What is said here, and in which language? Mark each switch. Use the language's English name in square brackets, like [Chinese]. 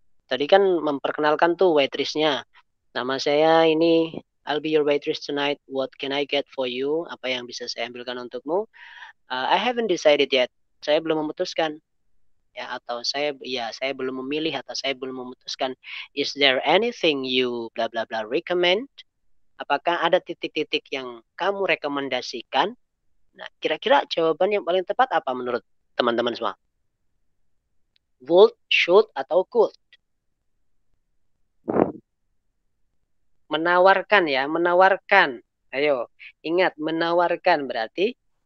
[Indonesian] Tadi kan memperkenalkan tuh waitressnya. Nama saya ini, [English] I'll be your waitress tonight. What can I get for you? [Indonesian] Apa yang bisa saya ambilkan untukmu? [English] I haven't decided yet. [Indonesian] Saya belum memutuskan. Ya, atau saya belum memilih atau saya belum memutuskan. [English] Is there anything you bla bla bla recommend? [Indonesian] Apakah ada titik-titik yang kamu rekomendasikan? Nah, kira-kira jawaban yang paling tepat apa menurut teman-teman semua? [English] Would, should, atau could? [Indonesian] Menawarkan ya, menawarkan. Ayo, ingat, menawarkan berarti